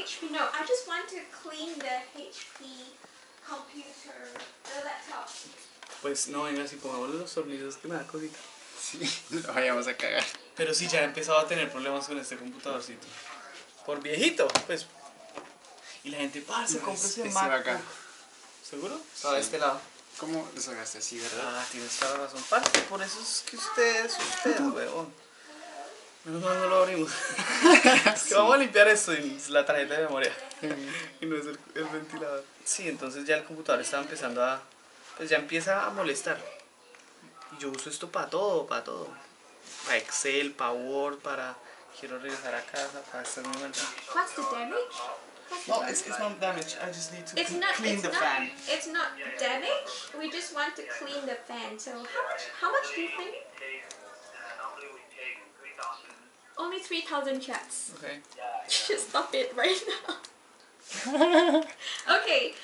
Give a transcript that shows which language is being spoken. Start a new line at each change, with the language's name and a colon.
English: No, I just want to clean the HP computer, the laptop.
Spanish: Pues no, venga, si pongamos los tornillos, que me da cosita. Sí, lo vayamos a cagar. Pero sí, ya he empezado a tener problemas con este computadorcito. Por viejito, pues. Y la gente, parce, compra ese Mac. Se va acá. ¿Seguro? Está de este lado. ¿Cómo lo sacaste así, verdad? Ah, tienes toda la razón. Parce, por eso es que usted, weón. Menos mal no lo abrimos. Es que sí. Vamos a limpiar esto y la tarjeta de memoria. Y no es el ventilador. Sí, entonces ya el computador está empezando a... Pues ya empieza a molestar. Y yo uso esto para todo, para todo. Para Excel, para Word, para... Quiero regresar a casa, para estar muy mal.
English: What's the damage? Well, it's not damage. I just need to clean the fan. It's not damage. We just want to clean the fan. So how much do you think? Normally we take 3,000. Only 3,000 checks. Okay. Just stop it right now. Okay.